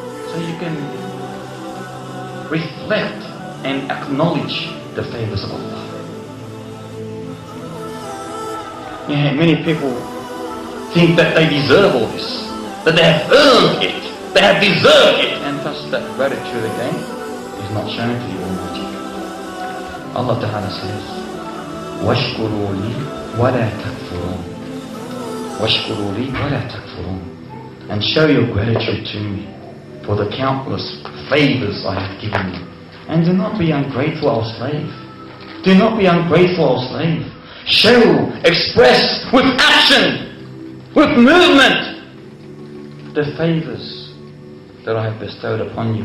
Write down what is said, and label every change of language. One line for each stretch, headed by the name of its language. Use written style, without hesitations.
English: So you can reflect and acknowledge the favors of Allah. Yeah, many people think that they deserve all this. That they have earned it. They have deserved it. And thus that gratitude again is not shown to the Almighty. Allah Ta'ala says,
Arabic: وَاشْكُرُوا لِي وَلَا تَكْفُرُونَ وَاشْكُرُوا لِي وَلَا تَكْفُرُونَ.
English: And show your gratitude to me for the countless favors I have given you. And do not be ungrateful, O slave. Do not be ungrateful, O slave. Show, express with action, with movement, the favors that I have bestowed upon you.